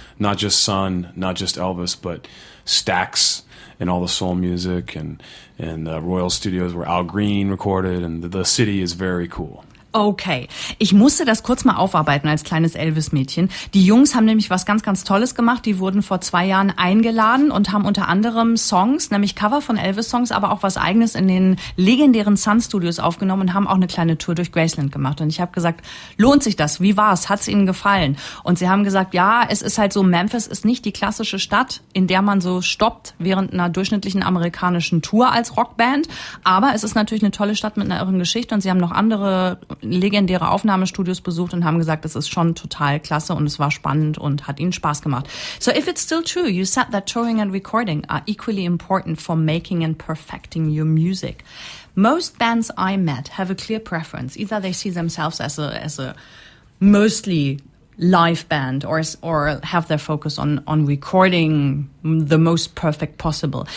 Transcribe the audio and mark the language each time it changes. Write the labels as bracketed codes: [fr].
[en] Not just Sun, not just Elvis, but Stax and all the soul music and the Royal Studios where Al Green recorded, and the city is very cool. [de] Okay, ich musste das kurz mal aufarbeiten als kleines Elvis-Mädchen. Die Jungs haben nämlich was ganz, ganz Tolles gemacht. Die wurden vor 2 Jahren eingeladen und haben unter anderem Songs, nämlich Cover von Elvis-Songs, aber auch was Eigenes in den legendären Sun-Studios aufgenommen und haben auch eine kleine Tour durch Graceland gemacht. Und ich habe gesagt, lohnt sich das? Wie war's? Hat's ihnen gefallen? Und sie haben gesagt, ja, es ist halt so, Memphis ist nicht die klassische Stadt, in der man so stoppt während einer durchschnittlichen amerikanischen Tour als Rockband. Aber es ist natürlich eine tolle Stadt mit einer irren Geschichte und sie haben noch andere legendäre Aufnahmestudios besucht und haben gesagt, das ist schon total klasse und es war spannend und hat ihnen Spaß gemacht. [en] So if it's still true, you said that touring and recording are equally important for making and perfecting your music. Most bands I met have a clear preference. Either they see themselves as a mostly live band or have their focus on recording the most perfect possible.